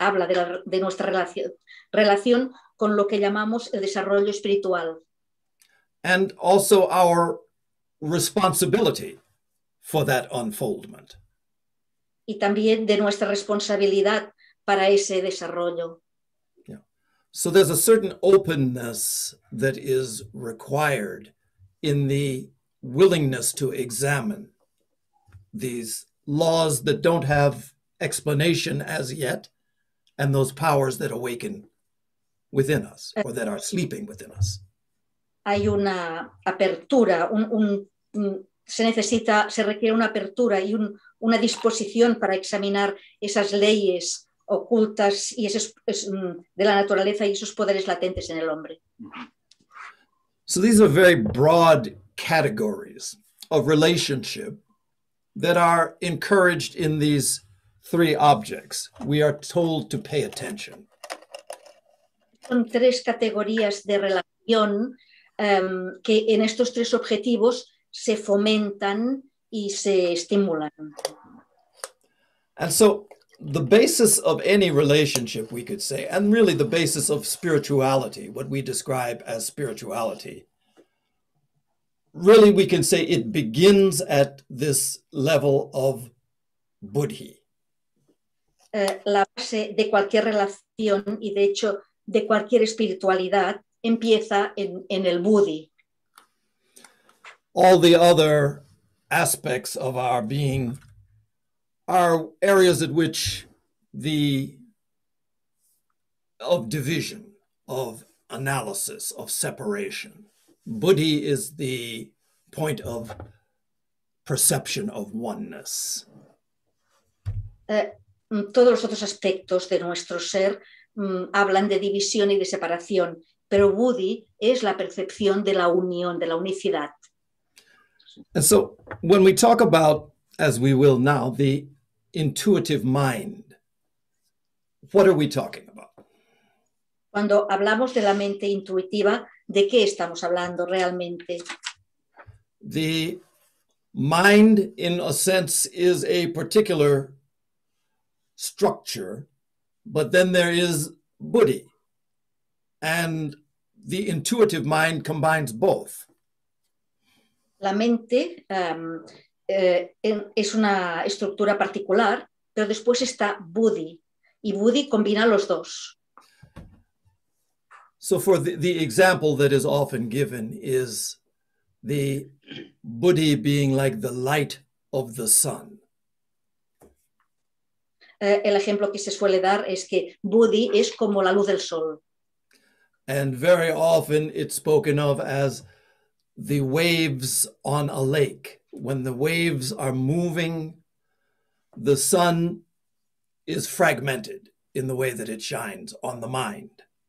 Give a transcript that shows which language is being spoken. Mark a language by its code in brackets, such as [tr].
[es] Habla de nuestra relación con lo que llamamos el desarrollo espiritual. [en] And also our responsibility for that unfoldment. [es] Y también de nuestra responsabilidad para ese desarrollo. Yeah. [en] So there's a certain openness that is required in the willingness to examine these laws that don't have explanation as yet, and those powers that awaken within us, or that are sleeping within us. [es] Hay una apertura, un se necesita, se requiere una apertura y una disposición para examinar esas leyes ocultas y esos de la naturaleza y esos poderes latentes en el hombre. [en] So these are very broad categories of relationship that are encouraged in these three objects. We are told to pay attention. [es] Son tres categorías de relación que en estos tres objetivos se fomentan y se estimulan. [en] And so the basis of any relationship, we could say, and really the basis of spirituality, what we describe as spirituality, really we can say it begins at this level of buddhi. [es] La base de cualquier relación y de hecho de cualquier espiritualidad empieza en el buddhi. [en] All the other aspects of our being are areas at which the of division, of analysis, of separation. Buddhi is the point of perception of oneness. [es] Todos los otros aspectos de nuestro ser hablan de división y de separación, pero buddhi es la percepción de la unión, de la unicidad. [en] And so when we talk about, as we will now, the intuitive mind, what are we talking about? [es] Cuando hablamos de la mente intuitiva, ¿de qué estamos hablando realmente? [en] The mind, in a sense, is a particular structure, but then there is buddhi, and the intuitive mind combines both. [es] La mente es una estructura particular, pero después está buddhi, y buddhi combina los dos. [en] So for the example that is often given is the buddhi being like the light of the sun. [es] El ejemplo que se suele dar es que buddhi es como la luz del sol. [en] And very often it's spoken of as the waves on a lake. When the waves are moving, the sun is fragmented in the way that it shines on the mind.